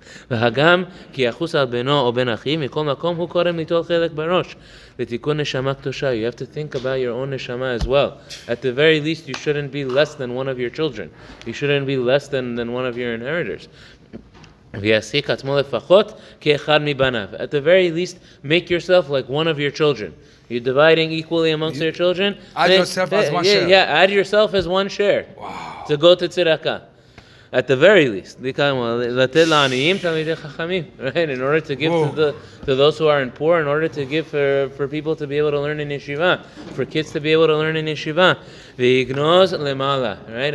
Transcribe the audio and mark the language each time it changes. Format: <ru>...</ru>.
<he>והגם כי יחוס על בנו או בן אחי מכל מקום הוא קודם ליטול חלק בראש לתיקון נשמה קדושה.</he> <en>You have to think about your own neshama as well. At the very least, you shouldn't be less than one of your children. You shouldn't be less than one of your inheritors.</en> <he>ויעסיק עצמו לפחות כאחד מבניו.</he> <en>At the very least, make yourself like one of your children. You're dividing equally amongst your children. Add yourself as one share. Yeah, add yourself as one share. Wow. To go to tzedakah. at the very least, right? In order to give to those who aren't poor, in order to give for people to be able to learn in yeshiva, for kids to be able to learn in yeshiva,</en> <he>v'ignoz lemala,</he> <en>right?</en>